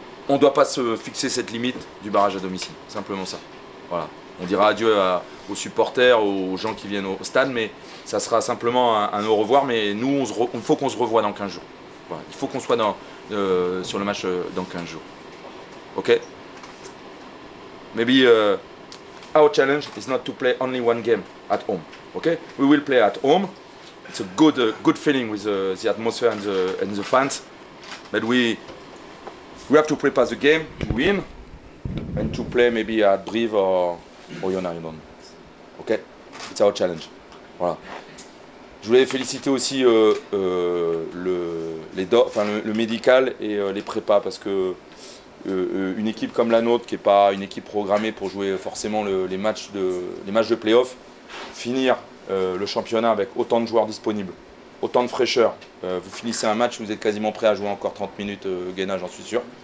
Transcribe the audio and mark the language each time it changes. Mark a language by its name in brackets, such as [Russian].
[French] On ne doit pas se fixer cette limite du barrage à domicile, simplement ça. Voilà. On dira adieu aux supporters, aux gens qui viennent au stade, mais ça sera simplement un au revoir. Mais nous, il faut qu'on se revoie dans 15 jours. Voilà. Il faut qu'on soit sur le match dans 15 jours. Ok? [English] Maybe our challenge is not to play only one game at home. Okay, we will play at home. It's a good feeling with the atmosphere and the fans. But we have to prepare the game to win and to play maybe at Brive or Oyonnax. Okay, it's our challenge. Voilà. [French] Je voulais féliciter aussi le médical et les prépas parce que. Une équipe comme la nôtre, qui n'est pas une équipe programmée pour jouer forcément les matchs de play-off, finir le championnat avec autant de joueurs disponibles, autant de fraîcheur, vous finissez un match, vous êtes quasiment prêt à jouer encore 30 minutes, gainage, j'en suis sûr.